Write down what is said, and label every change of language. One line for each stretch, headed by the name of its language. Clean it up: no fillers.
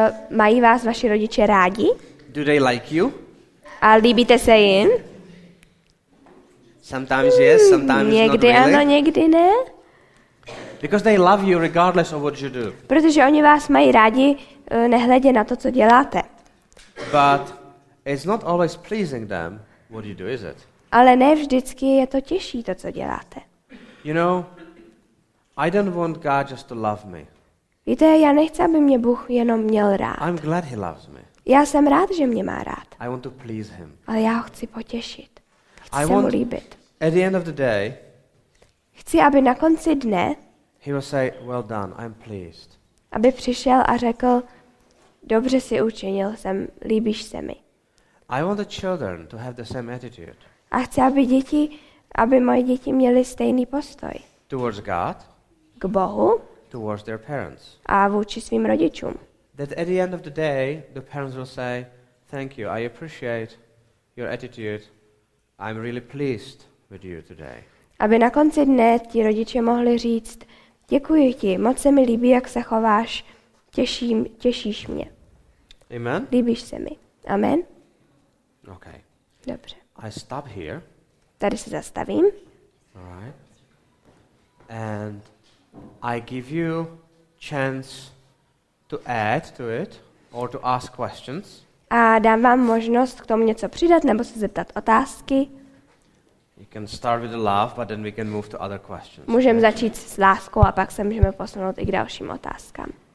Czech: Mají vás vaši rodiče rádi?
English: Do they like you?
Czech: A líbíte se jim?
English: Sometimes yes, sometimes not.
Czech: Někdy ano, někdy ne.
English: Because they love you regardless of what you do.
Czech: Protože oni vás mají rádi nehledě na to, co děláte.
English: But it's not always pleasing them what you do, is it?
Czech: Ale ne vždycky je to těžší to, co děláte.
English: You know, I don't want God just to love me.
Czech: Víte, já nechci, aby mě Bůh jenom měl rád.
English: I'm glad he loves me.
Czech: Já jsem rád, že mě má rád.
English: I want to please him.
Czech: Ale já ho chci potěšit. Chci se mu líbit.
English: At the end of the day.
Czech: Chci, aby na konci dne.
English: He will say, well done, I'm pleased.
Czech: Aby přišel a řekl, dobře si učinil, jsem líbíš se mi.
English: I want the children to have the same attitude.
Czech: A chci, aby moje děti měly stejný postoj.
English: Towards God.
Czech: K Bohu.
English: Towards their parents.
Czech: A vůči svým rodičům.
English: That at the end of the day, the parents will say, thank you, I appreciate your attitude. I'm really pleased with you today.
Czech: Aby na konci dne ti rodiče mohli říct, děkuji ti, moc se mi líbí, jak se chováš, těšíš mě.
English: Amen.
Czech: Líbíš se mi. Amen.
English: Okay.
Czech: Dobře.
English: I stop here.
Czech: Tady se zastavím.
English: All right. And I give you chance to add to it or to ask questions.
Czech: A dám vám možnost k tomu něco přidat nebo se zeptat otázky.
English: You can start with the love, but then we can move to other questions.
Czech: Můžeme začít s láskou a pak se můžeme posunout i k dalším otázkám.